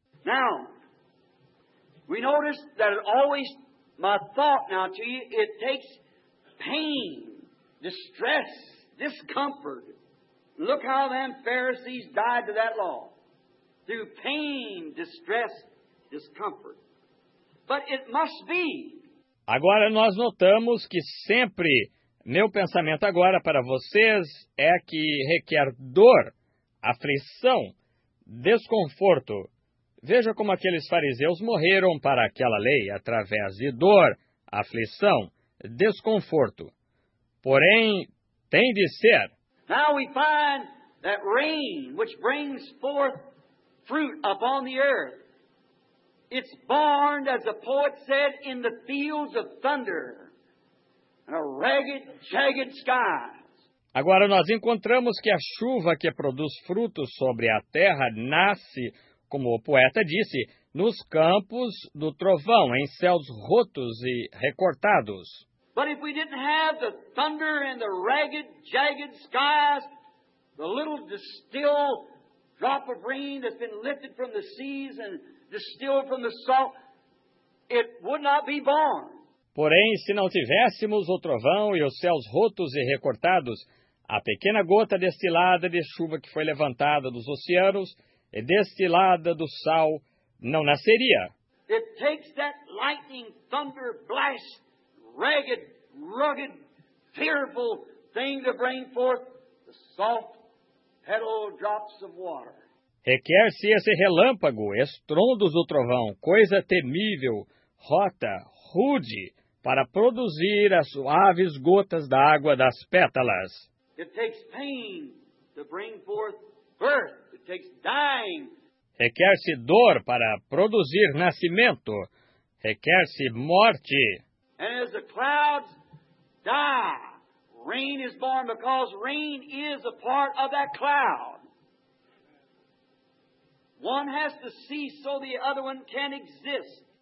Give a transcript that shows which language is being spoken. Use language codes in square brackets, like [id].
[en] Now, we notice that it always, my thought now to you, it takes pain, distress, discomfort. Look how them Pharisees died to that law. Through pain, distress, discomfort. But it must be. [pt] Agora nós notamos que sempre, meu pensamento agora para vocês é que requer dor, aflição, desconforto. Veja como aqueles fariseus morreram para aquela lei, através de dor, aflição, desconforto. Porém, tem de ser. [en] Now we find that rain, which brings forth fruit upon the earth. It's born, as the poet said, in the fields of thunder, and a ragged, jagged sky. [pt] Agora nós encontramos que a chuva que produz frutos sobre a terra nasce, como o poeta disse, nos campos do trovão, em céus rotos e recortados. [en] But if we didn't have the thunder and the ragged, jagged skies, the little distilled drop of rain that's been lifted from the seas and distilled from the salt, it would not be born. [pt] Porém, se não tivéssemos o trovão e os céus rotos e recortados, a pequena gota destilada de chuva que foi levantada dos oceanos e destilada do sal não nasceria. [en] It takes that lightning, thunder, blast, ragged, rugged, fearful thing to bring forth the salt, petal drops of water. [pt] Requer-se esse relâmpago, estrondos do trovão, coisa temível, rota, rude, para produzir as suaves gotas da água das pétalas. [en] It takes pain to bring forth birth. It takes dying. [pt] Requer-se dor para produzir nascimento. Requer-se morte. [en] And as the clouds die, rain is born because rain is a part of that cloud. One has to see so the other one can exist.